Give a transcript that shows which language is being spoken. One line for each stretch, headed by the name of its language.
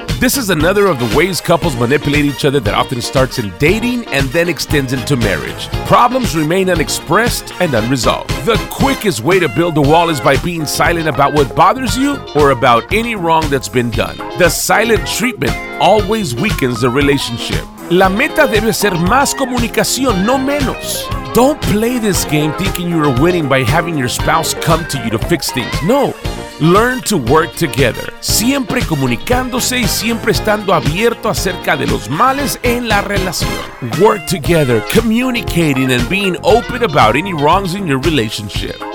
English: This is another of the ways couples manipulate each other that often starts in dating and then extends into marriage. Problems remain unexpressed and unresolved. The quickest way to build a wall is by being silent about what bothers you or about any wrong that's been done. The silent treatment always weakens the relationship.
Spanish: La meta debe ser más comunicación, no menos.
English: Don't play this game thinking you are winning by having your spouse come to you to fix things. No. Learn to work together.
Spanish: Siempre comunicándose y siempre estando abierto acerca de los males en la relación.
English: Work together, communicating and being open about any wrongs in your relationship.